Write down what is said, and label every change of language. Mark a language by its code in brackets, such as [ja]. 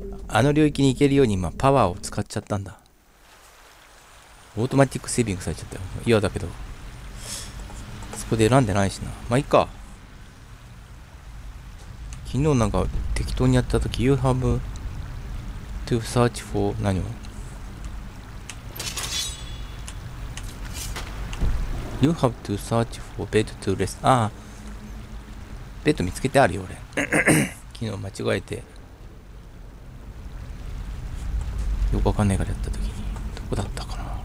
[ja] あの領域に行けるように今パワーを使っちゃったんだ。オートマティックセービングされちゃったよ。嫌だけど。そこで選んでないしな。まあ、いいか。昨日なんか適当にやったとき、 [en] You have to search for [ja] 何を？ [en] You have to search for bed to rest。 [ja] ああ。ベッド見つけてあるよ、俺。昨日間違えて。よくわかんないからやったときに。どこだったかな。